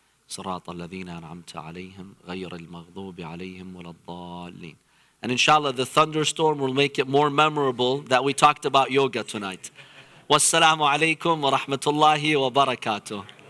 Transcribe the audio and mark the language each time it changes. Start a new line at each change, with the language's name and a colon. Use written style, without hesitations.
Arabic: صراط الذين أنعمت عليهم غير المغضوب عليهم ولا الضالين.
English: And inshallah, the thunderstorm will make it more memorable that we talked about yoga tonight.
Arabic: والسلام عليكم ورحمة الله وبركاته.